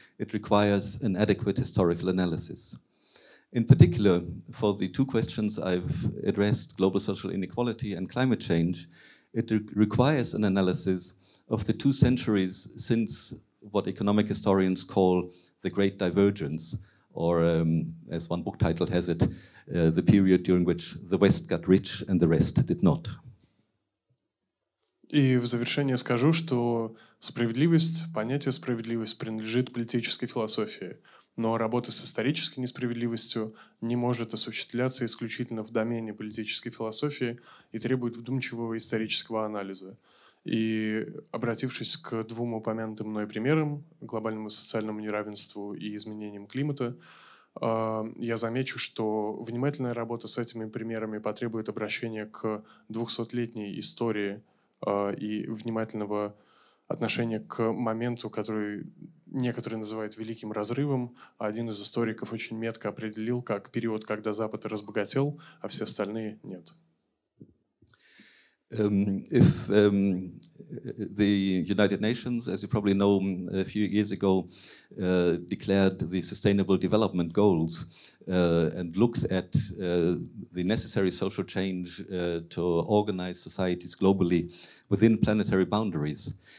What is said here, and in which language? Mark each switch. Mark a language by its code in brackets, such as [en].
[en] It requires an adequate historical analysis. In particular, for the two questions I've addressed, global social inequality and climate change, it requires an analysis of the two centuries since what economic historians call the Great Divergence, or as one book title has it, the period during which the West got rich and the rest did not. [ru] И в завершение скажу, что справедливость, понятие справедливость принадлежит политической философии, но работа с исторической несправедливостью не может осуществляться исключительно в домене политической философии и требует вдумчивого исторического анализа. И обратившись к двум упомянутым мной примерам, глобальному социальному неравенству и изменениям климата, я замечу, что внимательная работа с этими примерами потребует обращения к 200-летней истории и внимательного отношения к моменту, который некоторые называют «великим разрывом», а один из историков очень метко определил как период, когда Запад разбогател, а все остальные — нет. [en] If the United Nations, as you probably know, a few years ago declared the Sustainable Development Goals and looked at the necessary social change to organize societies globally within planetary boundaries.